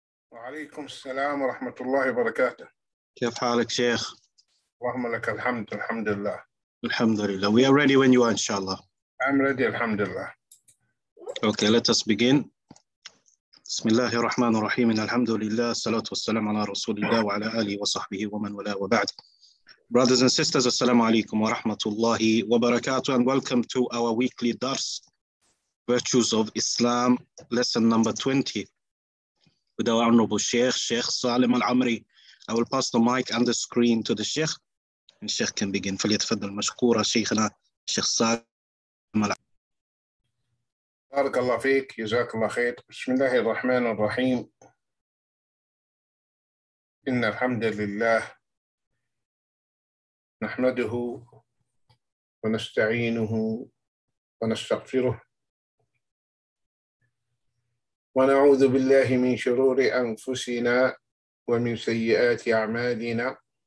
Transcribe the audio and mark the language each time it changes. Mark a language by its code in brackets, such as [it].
[ar] وعليكم السلام ورحمة الله وبركاته. كيف حالك شيخ؟ اللهم لك الحمد، الحمد لله. الحمد لله. [en] We are ready when you are, inshallah. I'm ready, [ar] الحمد لله. [en] Okay, let us begin. [ar] بسم الله الرحمن الرحيم. الحمد لله، الصلاة والسلام على رسول الله وعلى آله وصحبه ومن ولا وبعد. [en] Brothers and sisters, assalamu alaikum wa rahmatullahi wa barakatuh, and welcome to our weekly Dars, Virtues of Islam, lesson number 20, with our honorable Sheikh, Sheikh Salim Al-Amri. I will pass the mic and the screen to the Sheikh, and Sheikh can begin. [ar] فليتفضل مشكورا شيخنا Sheikh Salim Al-Amri. بارك الله فيك، جزاك الله خير. بسم الله الرحمن الرحيم. إن الحمد لله، نحمده ونستعينه ونستغفره ونعوذ بالله من شرور أنفسنا ومن سيئات أعمالنا،